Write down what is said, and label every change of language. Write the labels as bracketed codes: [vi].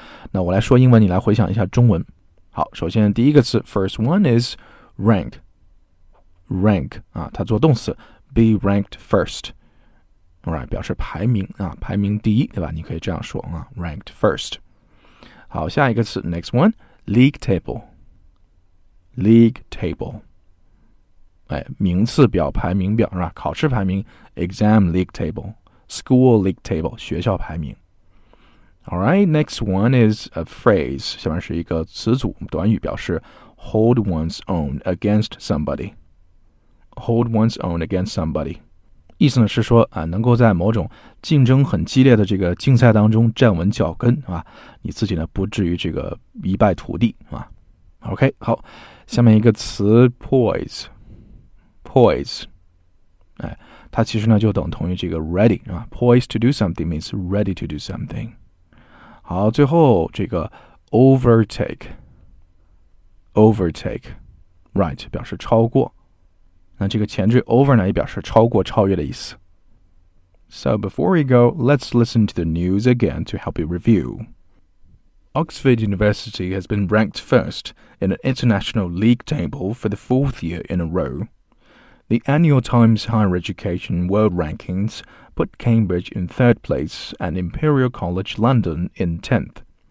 [zh] 那我来说英文，你来回想一下中文。好，首先第一个词 [en] first one is rank, [zh] rank 啊，它做动词 be ranked first, Alright, 表示排名啊，排名第一，对吧？你可以这样说啊， ranked first。好，下一个词 ,next one, league table, league table, 名次表排名表是吧，考试排名 exam league table, school league table, 学校排名。 [en] Alright, next one is a phrase, [zh] 下面是一个词组短语，表示 hold one's own against somebody, hold one's own against somebody, 意思呢是说、能够在某种竞争很激烈的这个竞赛当中站稳脚跟，是吧？你自己呢不至于这个一败涂地，是吧？OK, 好，下面一个词 poise, poise, 它其实呢就等同于这个 ready, 是吧？ [en] Poise to do something [zh] means ready to do something。 好，最后这个 overtake, overtake, right, 表示超过，那这个前缀 over 呢也表示超过超越的意思。 [en] So before we go, let's listen to the news again to help you review. Oxford University has been ranked first in an international league table for the fourth year in a row. The annual Times Higher Education World Rankings put Cambridge in third place and Imperial College London in 10th.